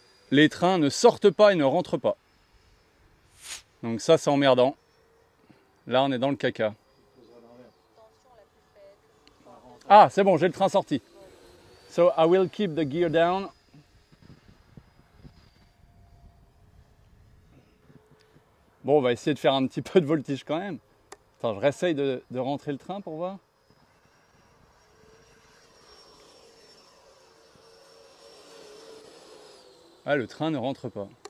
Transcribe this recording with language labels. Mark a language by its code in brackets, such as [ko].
[fr] Les trains ne sortent pas et ne rentrent pas. Donc ça, c'est emmerdant. Là, on est dans le caca. Ah, c'est bon, j'ai le train sorti. [en] So I will keep the gear down. [fr] Bon, on va essayer de faire un petit peu de voltige quand même. Attends, je réessaye de rentrer le train pour voir. Ah, le train ne rentre pas.